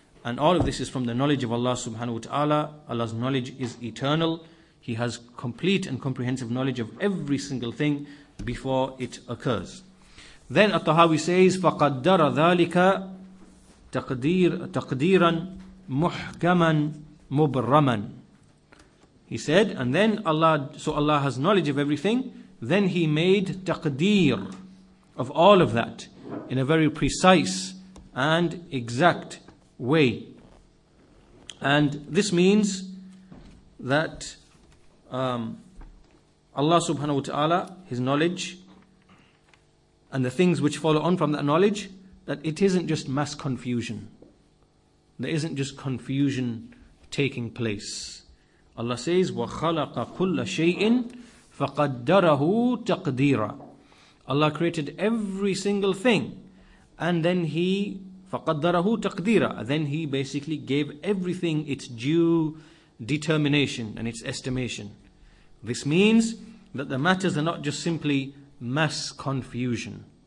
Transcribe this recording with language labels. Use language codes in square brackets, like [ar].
[en] And all of this is from the knowledge of Allah subhanahu wa ta'ala. Allah's knowledge is eternal. He has complete and comprehensive knowledge of every single thing before it occurs. Then At-Tahawi says, [ar] فَقَدَّرَ ذَلِكَ تَقْدِيرًا مُحْكَمًا مُبْرَّمًا. [en] He said, and then Allah has knowledge of everything. Then he made taqdeer of all of that in a very precise and exact way. And this means that Allah subhanahu wa ta'ala, His knowledge and the things which follow on from that knowledge, that it isn't just mass confusion. There isn't just confusion taking place. Allah says, [ar] وَخَلَقَ كُلَّ شَيْءٍ فَقَدَّرَهُ تَقْدِيرًا. [en] Allah created every single thing, and then He [ar] فَقَدَّرَهُ تَقْدِيرًا. [en] Then He basically gave everything its due determination and its estimation. This means that the matters are not just simply mass confusion.